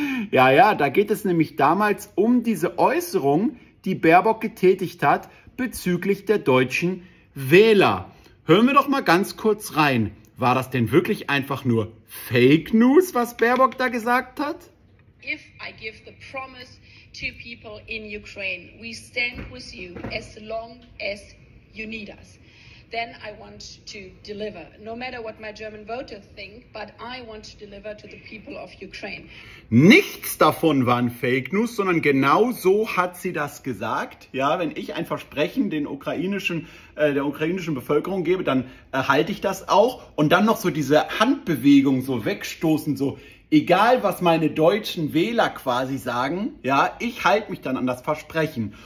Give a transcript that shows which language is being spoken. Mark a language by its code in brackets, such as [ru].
[de] Ja, da geht es nämlich damals um diese Äußerung, die Baerbock getätigt hat bezüglich der deutschen Wähler. Hören wir doch mal ganz kurz rein. War das denn wirklich einfach nur Fake News, was Baerbock da gesagt hat? [en] If I give the promise to people in Ukraine, we stand with you as long as you need us, then I want to deliver. No matter what my German voters think, but I want to deliver to the people of Ukraine. [de] Nichts davon waren Fake News, sondern genau so hat sie das gesagt. Ja, wenn ich ein Versprechen der ukrainischen Bevölkerung gebe, dann erhalte ich das auch. Und dann noch so diese Handbewegung, so wegstoßen, so egal was meine deutschen Wähler quasi sagen, ja, ich halte mich dann an das Versprechen.